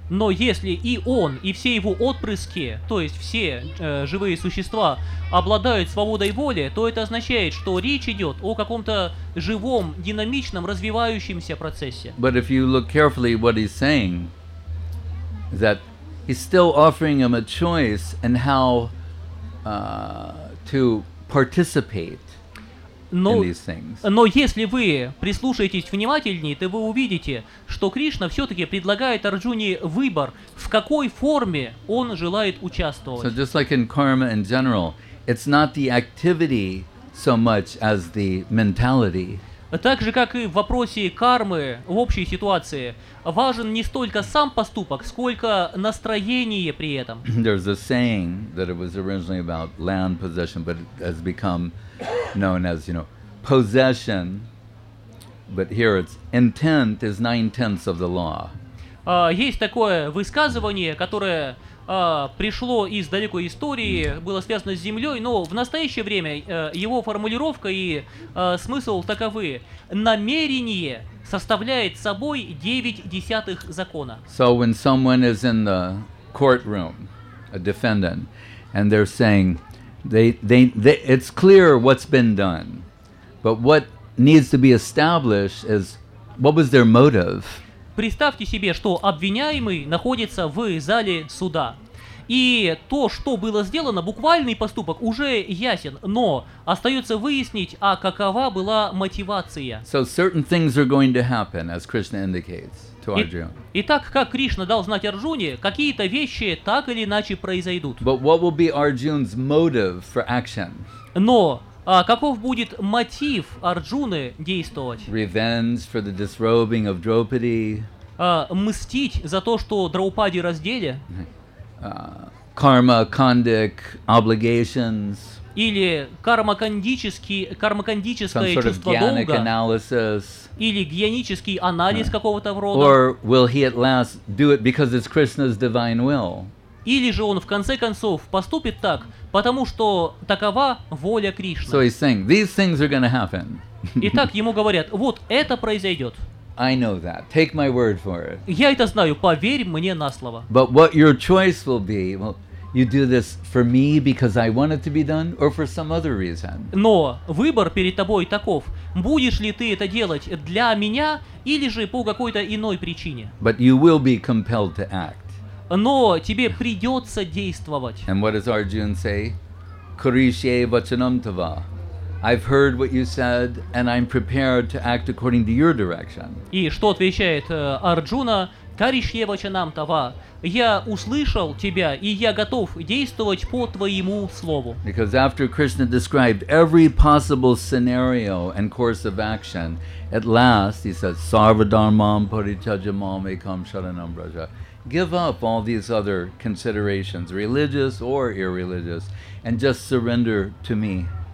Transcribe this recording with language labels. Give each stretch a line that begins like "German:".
Russian: Но если и он, и все его отпрыски, то есть все живые существа, обладают свободой воли, то это означает, что речь идет о каком-то живом, динамичном, развивающемся процессе.
English: But if you look carefully, what he's saying is that he's still offering him a choice and how to participate.
Russian: Но если вы прислушаетесь внимательнее, то вы увидите, что Кришна все-таки предлагает Арджуне выбор, в какой форме он желает участвовать.
English: So just like in karma in general, it's not the activity so much as the mentality.
Russian: Так же, как и в вопросе кармы в общей ситуации, важен не столько сам поступок, сколько настроение при этом.
English: There's a saying that it was originally about land possession, but it has become known as, you know, possession, but here it's intent is 9/10 of the law.
Russian: Есть такое высказывание, которое пришло из далекой истории, было связано с землей, но в настоящее время его формулировка и смысл таковы. Намерение составляет собой 9/10 закона.
English: So when someone is in the courtroom, a defendant, and they're saying, it's clear what's been done, but what needs to be established is what was their motive.
Russian: Представьте себе, что обвиняемый находится в зале суда, и то, что было сделано, буквальный поступок уже ясен, но остается выяснить, а какова была мотивация.
English: So certain things are going to happen, as Krishna indicates to Arjuna.
Russian: Итак, как Кришна дал знать Арджуне, какие-то вещи так или иначе произойдут.
English: But what will be Arjuna's motive for action?
Russian: Но каков будет мотив Арджуны действовать?
English: Revenge for the disrobing of Draupadi.
Russian: Мстить за то, что Драупади раздели.
English: Karma, kandic obligations.
Russian: Или кармакандическое чувство долга.
English: Some sort of gyanic analysis.
Russian: Или гьянический анализ какого-то рода.
English: Or will he at last do it because it's Krishna's divine will?
Russian: Или же он в конце концов поступит так, потому что такова воля Кришны.
English: So he's saying, these things are going to happen.
Russian: Итак, ему говорят, вот это произойдет.
English: I know that. Take my word for it.
Russian: Я это знаю, поверь мне на слово.
English: But what your choice will be, well, you do this for me because I want it to be done or for some other reason.
Russian: Но выбор перед тобой таков. Будешь ли ты это делать для меня или же по какой-то иной причине?
English: But you will be compelled to act.
Russian: Но тебе придется действовать.
English: And what does Arjuna say?
Sanskrit: Kurishye vachanam tava.
English: I've heard what you said, and I'm prepared to act according to your direction.
Russian: И что отвечает Арджуна?
Sanskrit: Kurishye vachanam tava.
Russian: Я услышал тебя, и я готов действовать по твоему слову.
English: Because after Krishna described every possible scenario and course of action, at last he says,
Sanskrit: Sarvadharmam parityajamam ekam sharanam braja.
English: Give up all these other considerations, religious or irreligious, and just surrender to me.